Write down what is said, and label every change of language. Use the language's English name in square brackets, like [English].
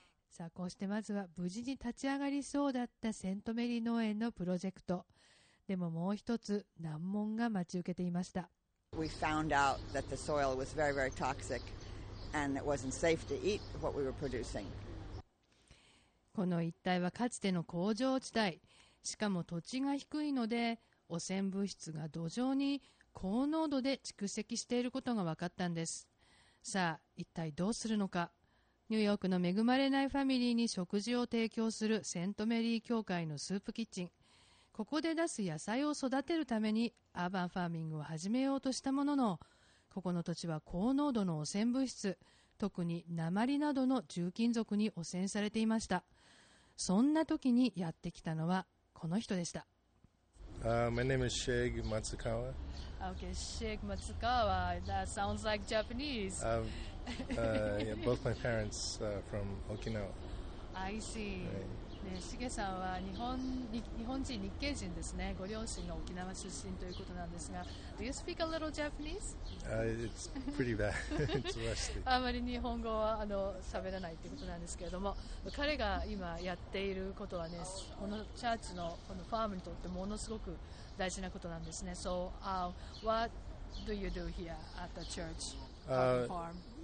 [Japanese] さあ、こうしてまずは無事に立ち上がりそうだったセントメリー農園のプロジェクトでも、もう一つ難問が待ち受けていました。 [English] We found out that the soil was very, very toxic and it wasn't safe to eat what we were producing. [Japanese] この一帯はかつての工場地帯、しかも土地が低いので汚染物質が土壌に高濃度で蓄積していることが分かったんです。さあ、一体どうするのか。ニューヨークの恵まれないファミリーに食事を提供するセントメリー教会のスープキッチン、ここで出す野菜を育てるためにアーバンファーミングを始めようとしたものの、ここの土地は高濃度の汚染物質、特に鉛などの重金属に汚染されていました。そんな時にやってきたのはこの人でした。 [English] My name is Shig Matsukawa. Okay, Shig Matsukawa. That sounds like Japanese. Yeah, both my parents from Okinawa. I see. [Japanese] ね、しげさんは日本人、日系人ですね。ご両親が沖縄出身ということなんですが、 [English] Do you speak a little Japanese? It's pretty bad. It's rusty. [Japanese] あまり日本語は喋らないということなんですけれども、彼が今やっていることはね、このチャーチのこのファームにとってものすごく大事なことなんですね。 [English] So, what do you do here at the church farm?